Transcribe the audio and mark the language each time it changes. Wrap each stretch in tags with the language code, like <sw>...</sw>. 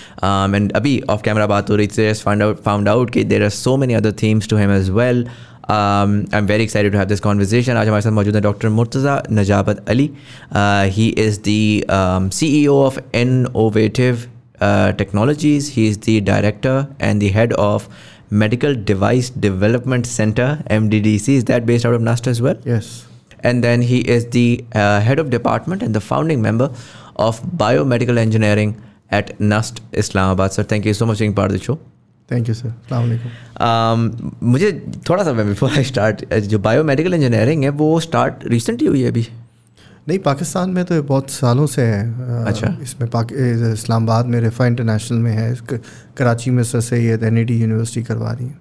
<en>and ابھی off camera</en> <ur>بات ہو رہی تھی,</ur> <en>Just found out کہ there are so many other themes to him as well. I'm very excited to have this conversation.</en> <ur>Aaj hamare sath maujood hai</ur> <en>Dr. Murtaza Najabat Ali. He is the CEO of Innovative Technologies. He is the director and the head of Medical Device Development Center, MDDC. Is that based out of NUST as well? Yes. And then he is the head of department and the founding member of Biomedical Engineering at NUST Islamabad. Sir, thank you so much for being part of the show.</en> <ur>Thank you sir. السلام علیکم. مجھے تھوڑا سا</ur> <en>before I start,</en> <ur>جو bio medical engineering ہے وہ start recently ہوئی ہے ابھی؟ نہیں, پاکستان میں تو بہت سالوں سے ہے. اچھا. اس میں اسلام آباد میں ریفا انٹرنیشنل میں ہے, کراچی میں سر سید این ای ڈی یونیورسٹی کروا رہی ہیں.</ur>